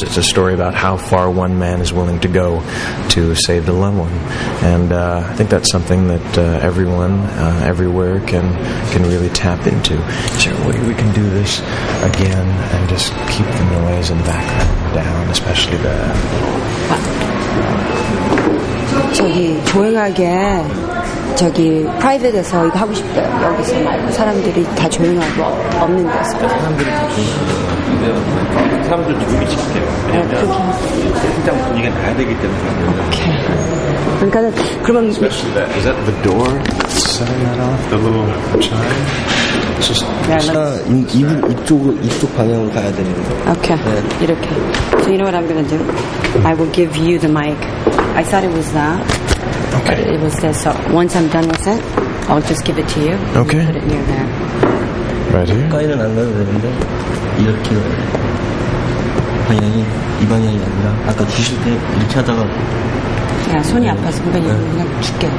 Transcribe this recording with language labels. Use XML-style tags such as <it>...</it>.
<en>It's a story about how far one man is willing to go to save the loved one. And I think that's something that everyone, everywhere, can really tap into. Is there a way we can do this again and just keep the noise in the background down, especially the...</en> <ko>저기 조용하게 저기 프라이빗에서 이거 하고 싶대요. 여기서 사람들이 다 조용하고 없는 데서 사람들이 다 조용하고 사람들 좀 미칠게요. 왜냐하면 현장 분위기가 나야 되기 때문에 오케이. 그러니까 그러면</ko> <en>especially that. Is that the door setting that off? The little chime? Okay, yeah. Okay. So you know what I'm going to do? I will give you the mic. I thought it was that. Okay. But it was this. So once I'm done with it, I'll just give it to you. Okay. Put it near there. Right here?</en> <ko>가까이는 안 가도 되는데 이렇게 방향이 이 방향이 아니라 아까 주실 때 이렇게 하다가 야, 손이 아파서 선배님 그냥 줄게.</ko>